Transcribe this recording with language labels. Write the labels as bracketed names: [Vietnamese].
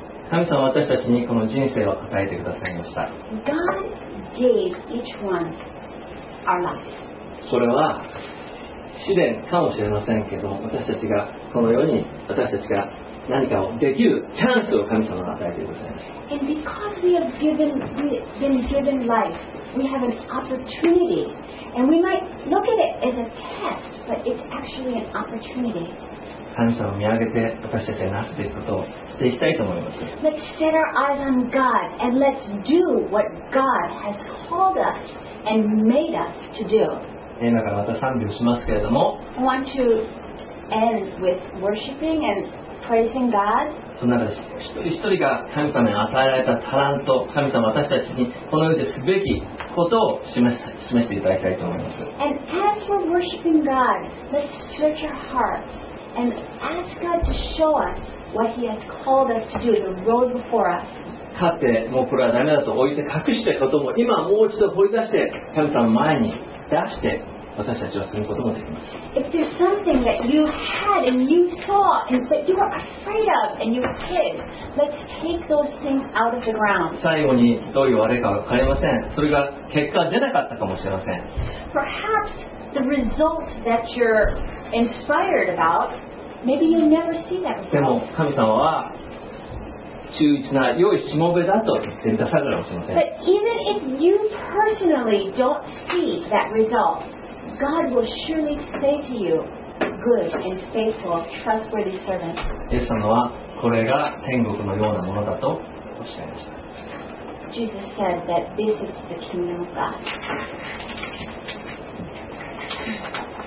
[Japanese] 神様は私たちにこの人生を与えてくださいました。 [English] God gave each one our life. [Japanese] それは試練かもしれませんけど、私たちがこの世に私たちが何かをできるチャンスを神様が与えてくださいました。 [English] And because we have given, been given life, we have an opportunity. And we might look at it as a test, but it's actually an opportunity. [Japanese] 神様を見上げて私たちがなすべきことをしていきたいと思います。 [English] Let's set our eyes on God and let's do what God has called us and made us to do. [Japanese] 今からまた賛美をしますけれども、 [English] I want to end with worshiping and praising God. [Japanese] そんなら一人一人が神様に与えられたタラント、神様私たちにこの世ですべきことを示していただきたいと思います。 [English] And as we're worshiping God, let's search our hearts. And ask God to show us what He has called us to do, the road before us. [Japanese] かつてもうこれはダメだと置いて隠してことも今もう一度掘り出して神様の前に出して私たちはすることもできます。 [English] If there's something that you had and you saw and that you were afraid of and you hid, let's take those things out of the ground. [Japanese] 最後にどういう悪いかは分かりません。それが結果出なかったかもしれません。 [English] Perhaps the result that you're inspired about, maybe you never see that before. [Japanese] でも神様は忠実な良いしもべだと言って出されるかもしれません。 [English] But even if you personally don't see that result, God will surely say to you, good and faithful, trustworthy servant. [Japanese] イエス様はこれが天国のようなものだとおっしゃいました。 [English] Jesus said that this is the kingdom of God.